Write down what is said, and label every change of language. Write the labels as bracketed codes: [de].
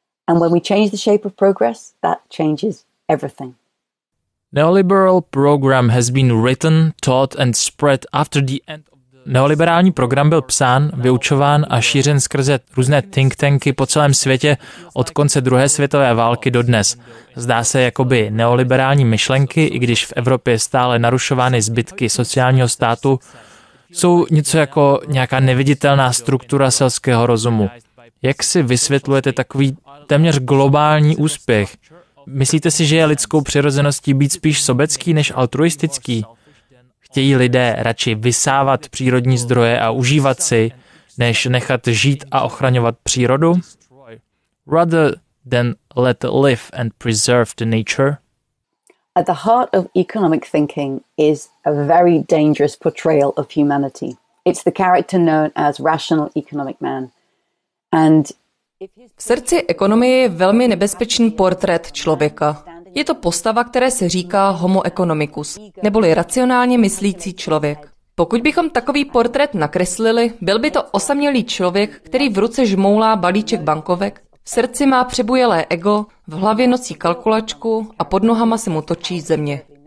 [en] And when we change the shape of progress, that changes everything. Neoliberal program has been written, taught and spread after the end. [cs] Neoliberální program byl psán, vyučován a šířen skrze různé think tanky po celém světě od konce druhé světové války do dnes. Zdá se, jakoby neoliberální myšlenky, i když v Evropě stále narušovány zbytky sociálního státu, jsou něco jako nějaká neviditelná struktura selského rozumu. Jak si vysvětlujete takový téměř globální úspěch? Myslíte si, že je lidskou přirozeností být spíš sobecký než altruistický? Chtějí lidé radši vysávat přírodní zdroje a užívat si, než nechat žít a ochraňovat přírodu? [en] Rather than let live and preserve the nature. At the heart of economic thinking is a very dangerous portrayal of humanity. It's the character known as rational economic man. And [cs] v srdci ekonomie je velmi nebezpečný portrét člověka. Je to postava, které se říká homo economicus, neboli racionálně myslící člověk. Pokud bychom takový portrét nakreslili, byl by to osamělý člověk, který v ruce žmoulá balíček bankovek, v srdci má přebujelé ego, v hlavě nosí kalkulačku a pod nohama se mu točí země.